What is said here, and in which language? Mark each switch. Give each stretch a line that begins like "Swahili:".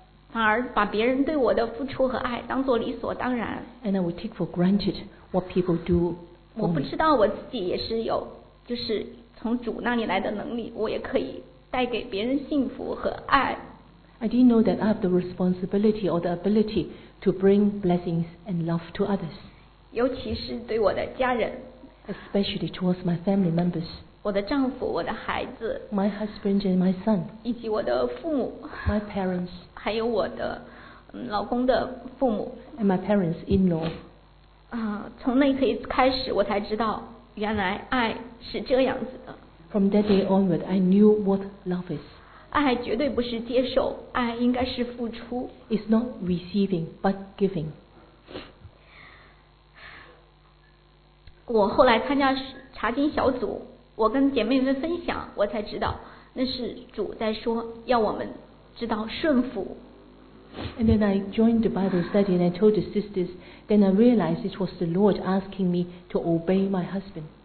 Chinese: 反而把别人对我的付出和爱当做理所当然。
English: And I would take for granted what people do for me.
Chinese: 我不知道我自己也是有，就是从主那里来的能力，我也可以带给别人幸福和爱。
English: I didn't know that I have the responsibility or the ability to bring blessings and love to others.
Chinese: 尤其是对我的家人。
English: Especially towards my family members.
Chinese: 我的丈夫，我的孩子。
English: My husband and my son.
Chinese: 以及我的父母。
English: My parents.
Chinese: 还有我的老公的父母。
English: And my parents-in-law.
Chinese: 从那一刻开始，我才知道原来爱是这样子的。
English: From that day onward, I knew what love is.
Chinese: 爱绝对不是接受，爱应该是付出。
English: It's not receiving, but giving.
Chinese: 我后来参加查经小组，我跟姐妹们分享，我才知道那是主在说，要我们知道顺服。
English: And then I joined the Bible study and I told the sisters, then I realized it was the Lord asking me to obey my husband.